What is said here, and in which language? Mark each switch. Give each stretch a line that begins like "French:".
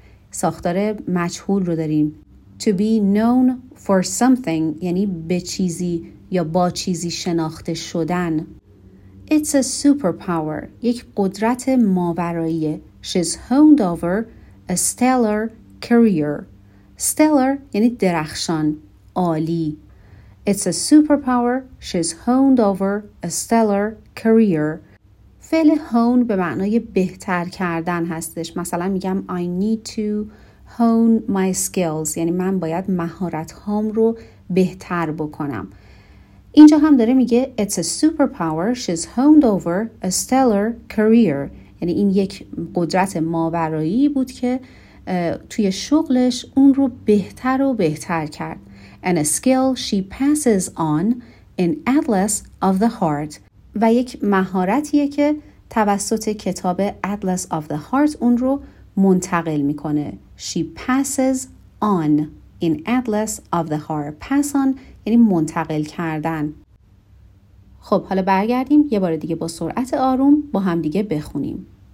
Persian: ساختار مجهول رو داریم.
English: To be known for something
Persian: یعنی به چیزی یا با چیزی شناخته شدن.
English: It's a superpower،
Persian: یک قدرت ماوراییه.
English: She's honed over a stellar career.
Persian: Stellar یعنی درخشان، عالی.
English: It's a superpower، she's honed over a stellar career.
Persian: فعل hone به معنای بهتر کردن هستش. مثلا میگم
English: I need to hone my skills،
Persian: یعنی من باید مهارت هام رو بهتر بکنم. اینجا هم داره میگه
English: It's a superpower، she's honed over a stellar career،
Persian: یعنی این یک قدرت ماورایی بود که توی شغلش اون رو بهتر و بهتر کرد.
English: And a skill she passes on in Atlas of the Heart،
Persian: و یک مهارتیه که توسط کتاب
English: Atlas of the Heart
Persian: اون رو منتقل میکنه.
English: She passes on in Atlas of the Heart.
Persian: Pass on یعنی منتقل کردن. خب حالا برگردیم یه بار دیگه با سرعت آروم با هم دیگه بخونیم.